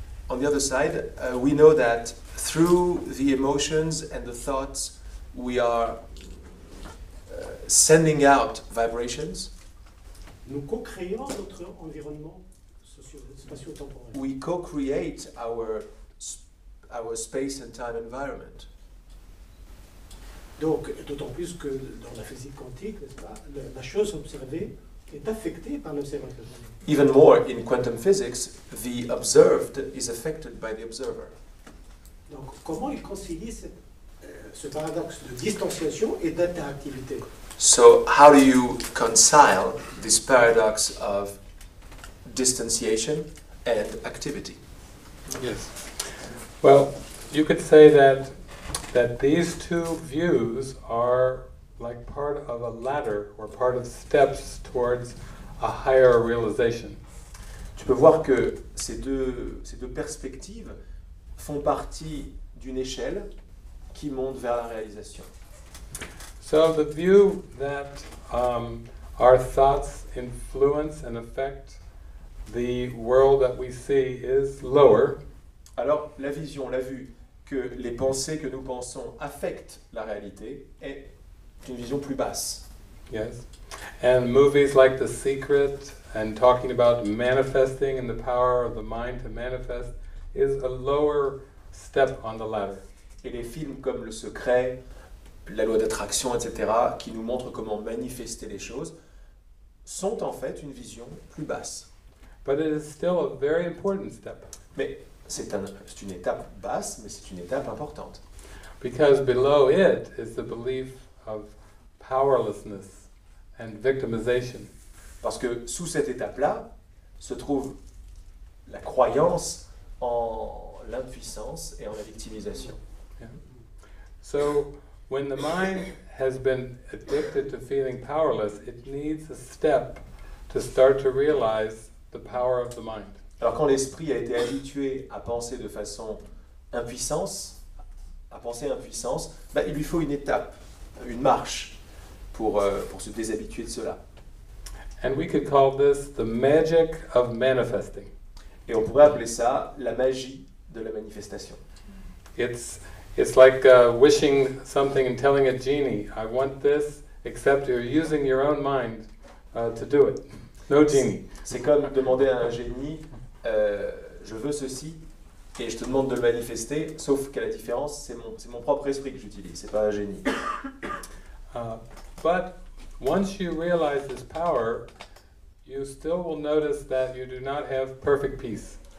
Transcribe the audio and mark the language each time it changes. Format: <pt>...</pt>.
<en>On the other side, we know that through the emotions and the thoughts, we are sending out vibrations.</en> <fr>Nous co-créons notre environnement spatio-temporel.</fr> <en>We co-create our space and time environment.</en> <fr>Donc, d'autant plus que dans la physique quantique, n'est-ce pas, la chose observée est affectée par l'observateur.</fr> <en>Even more, in quantum physics, the observed is affected by the observer.</en> <fr>Donc, comment il concilie ce paradoxe de distanciation et d'interactivité?</fr> <en>So how do you concile this paradox of distanciation and activity? Yes. Well, you could say that these two views are like part of a ladder or part of steps towards a higher realization.</en> <fr>Tu peux voir que ces deux perspectives font partie d'une échelle qui monte vers la réalisation.</fr> <en>So the view that our thoughts influence and affect the world that we see is lower.</en> <fr>Alors la vision, la vue que les pensées que nous pensons affectent la réalité est une vision plus basse.</fr> <en>Yes. And movies like The Secret and talking about manifesting and the power of the mind to manifest is a lower step on the ladder.</en> <fr>Et les films comme Le Secret, la loi d'attraction, etc., qui nous montre comment manifester les choses, sont en fait une vision plus basse.</fr> <en>But it is still a very important step.</en> <fr>Mais c'est une étape basse, mais c'est une étape importante.</fr> <en>Because below it is the belief of powerlessness and victimization.</en> <fr>Parce que sous cette étape-là se trouve la croyance en l'impuissance et en la victimisation.</fr> <en>Yeah. So, when the mind has been addicted to feeling powerless, it needs a step to start to realize the power of the mind.</en> <fr>Alors quand l'esprit a été habitué à penser de façon impuissance, à penser impuissance, bah, il lui faut une étape, une marche pour se déshabituer de cela.</fr> <en>And we could call this the magic of manifesting.</en> <fr>Et on pourrait appeler ça la magie de la manifestation.</fr> <en>It's like wishing something and telling a genie, I want this, except you're using your own mind to do it. No genie.</en> <fr>C'est comme demander à un génie, je veux ceci et je te demande de le manifester, sauf qu'à la différence, c'est mon propre esprit que j'utilise, c'est pas un génie.</fr> <en>But once you realize this power, you still will notice that you do not have perfect peace.</en>